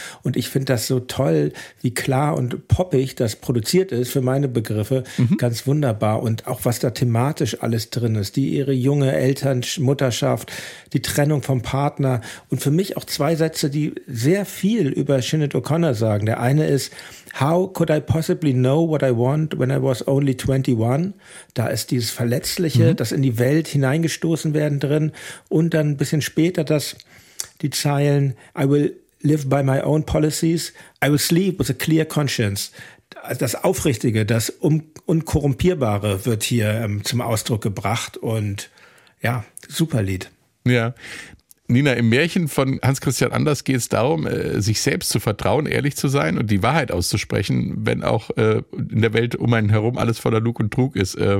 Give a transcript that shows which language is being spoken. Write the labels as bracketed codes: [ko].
[de] Und ich finde das so toll, wie klar und poppig das produziert ist, für meine Begriffe. Mhm. Ganz wunderbar. Und auch was da thematisch alles drin ist. Die ihre junge Eltern, Mutterschaft, die Trennung vom Partner. Und für mich auch zwei Sätze, die sehr viel über Sinéad O'Connor sagen. Der eine ist, [en] how could I possibly know what I want when I was only 21? [de] Da ist dieses Verletzliche, mhm, das in die Welt hineingestoßen werden drin. Und dann ein bisschen später das, die Zeilen, [en] I will live by my own policies. I will sleep with a clear conscience. [de] Das Aufrichtige, das Unkorrumpierbare wird hier zum Ausdruck gebracht. Und ja, super Lied. Ja. Nina, im Märchen von Hans Christian Anders geht es darum, sich selbst zu vertrauen, ehrlich zu sein und die Wahrheit auszusprechen, wenn auch in der Welt um einen herum alles voller Lug und Trug ist.